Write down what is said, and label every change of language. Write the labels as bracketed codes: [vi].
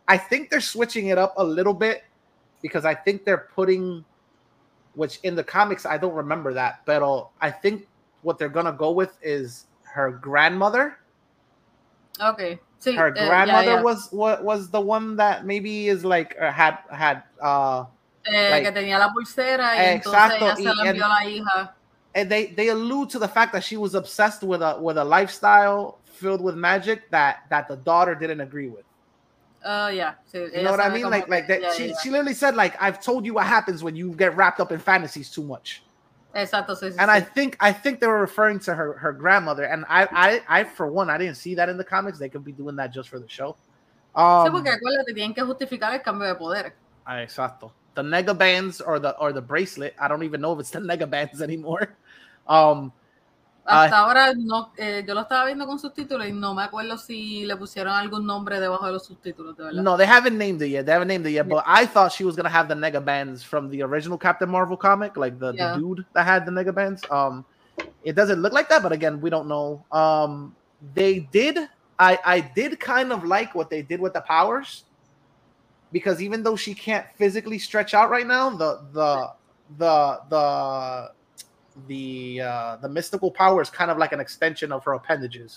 [en] I think they're switching it up a little bit because I think they're putting... Which in the comics, I don't remember that. But I think what they're going to go with is her grandmother. Okay. So, her grandmother was the one that maybe is like, or had. [es] Que tenía la pulsera y entonces ella se la envió a la hija. [en] and they allude to the fact that she was obsessed with a lifestyle filled with magic that the daughter didn't agree with. Yeah. You know what I mean? She literally said, like, I've told you what happens when you get wrapped up in fantasies too much. [es] Exacto, sí. [en] And I think they were referring to her grandmother. And I for one, I didn't see that in the comics. They could be doing that just for the show. [es] Exacto. [en] The Nega Bands or the bracelet. I don't even know if it's the Nega Bands anymore. [es] Hasta ahora no, yo lo estaba viendo con subtítulos y no me acuerdo si le pusieron algún nombre debajo de los subtítulos, de verdad. [en] No, they haven't named it yet. Yeah. But I thought she was going to have the Nega Bands from the original Captain Marvel comic, like the dude that had the Nega Bands. It doesn't look like that, but again, we don't know. I did kind of like what they did with the powers, because even though she can't physically stretch out right now, the mystical power is kind of like an extension of her appendages.